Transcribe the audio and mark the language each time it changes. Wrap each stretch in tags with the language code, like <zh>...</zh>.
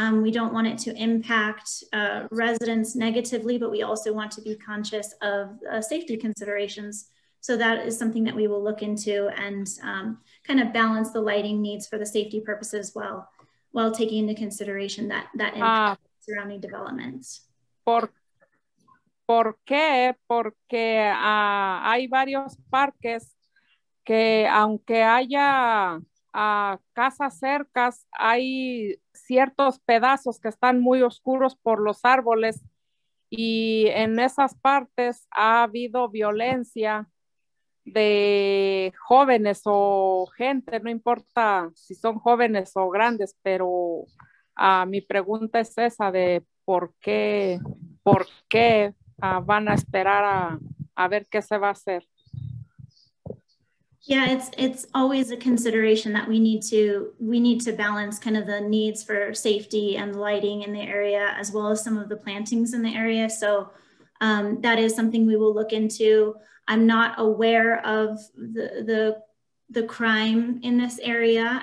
<en>We don't want it to impact residents negatively, but we also want to be conscious of safety considerations. So that is something that we will look into and kind of balance the lighting needs for the safety purposes well, while taking into consideration that impact surrounding development.</en> <es>¿Por qué? Porque hay varios parques que aunque haya casas cercas, hay ciertos pedazos que están muy oscuros por los árboles y en esas partes ha habido violencia de jóvenes o gente, no importa si son jóvenes o grandes, pero mi pregunta es esa de por qué van a esperar a ver qué se va a hacer.</es> <en>Yeah, it's always a consideration that we need to balance kind of the needs for safety and lighting in the area, as well as some of the plantings in the area. So that is something we will look into. I'm not aware of the crime in this area.</en>